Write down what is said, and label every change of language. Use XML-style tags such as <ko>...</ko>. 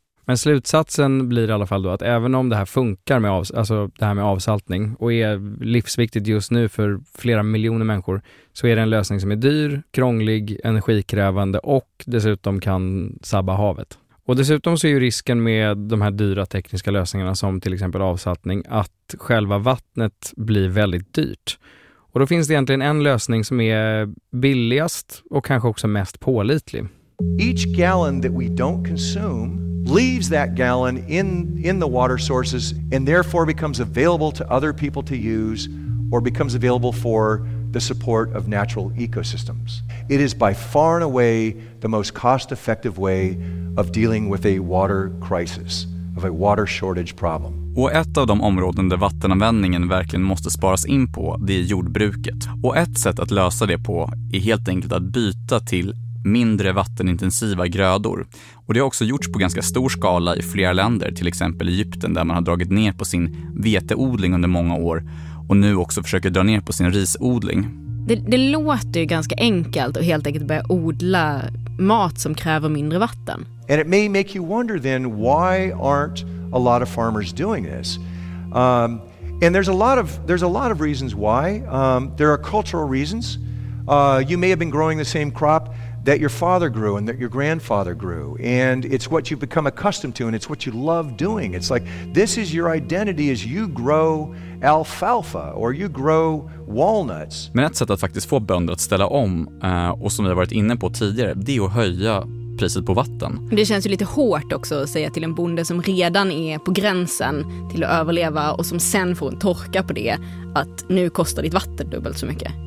<sv>Men slutsatsen blir i alla fall då att även om det här funkar med avsaltning och är livsviktigt just nu för flera miljoner människor, så är det en lösning som är dyr, krånglig, energikrävande och dessutom kan sabba havet. Och dessutom så är ju risken med de här dyra tekniska lösningarna som till exempel avsaltning att själva vattnet blir väldigt dyrt. Och då finns det egentligen en lösning som är billigast och kanske också mest pålitlig.</sv> <en>Each gallon that we don't consume leaves that gallon in the water sources and therefore becomes available to other people to use or becomes available for the support of natural ecosystems. It is by far and away the most cost-effective way of dealing with a water crisis, of a water shortage problem.</en> <sv>Och ett av de områden där vattenanvändningen verkligen måste sparas in på, det är jordbruket. Och ett sätt att lösa det på är helt enkelt att byta till mindre vattenintensiva grödor. Och det har också gjorts på ganska stor skala i flera länder, till exempel Egypten, där man har dragit ner på sin veteodling under många år och nu också försöker dra ner på sin risodling. Det låter ju ganska enkelt att helt enkelt börja odla mat som kräver mindre vatten.</sv> <en>And it may make you wonder then why aren't a lot of farmers doing this? And there's a lot of reasons why. There are cultural reasons. You may have been growing the same crop that your father grew and that your grandfather grew, and it's what you've become accustomed to and it's what you love doing. It's like this is your identity as you grow alfalfa or you grow walnuts.</en> <sv>Men ett sätt att faktiskt få bönder att ställa om och som vi har varit inne på tidigare, det är att höja priset på vatten. Det känns ju lite hårt också att säga till en bonde som redan är på gränsen till att överleva och som sen får en torka på det att nu kostar ditt vatten dubbelt så mycket.</sv>